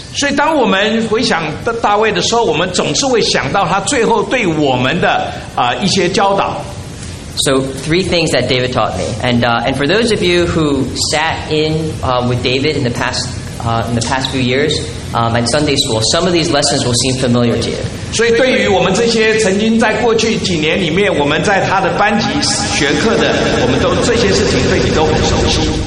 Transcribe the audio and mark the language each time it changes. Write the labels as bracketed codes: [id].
[zh] 所以当我们回想大卫的时候，我们总是会想到他最后对我们的一些教导。 [en] So three things that David taught me, and for those of you who sat in with David in the past few years at Sunday school, some of these lessons will seem familiar to you. [zh] 所以对于我们这些曾经在过去几年里面我们在他的班级学课的，我们都这些事情对你都很熟悉。